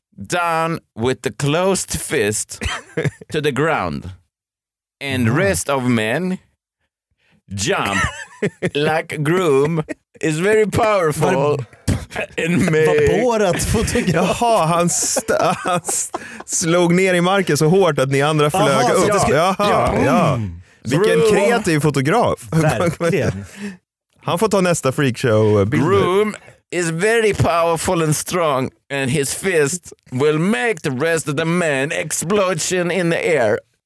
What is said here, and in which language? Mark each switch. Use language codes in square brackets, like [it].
[en] down with the closed fist to the ground and rest of men jump like groom is very powerful in me. [sv] Vårat fotograf. Jaha, han slog ner i marken så hårt att ni andra flög upp. Ja. Jaha. Vilken kreativ fotograf. Verkligen. Han får ta nästa freakshow bild. [en] Groom is very powerful and strong and his fist will make the rest of the men explosion in the air.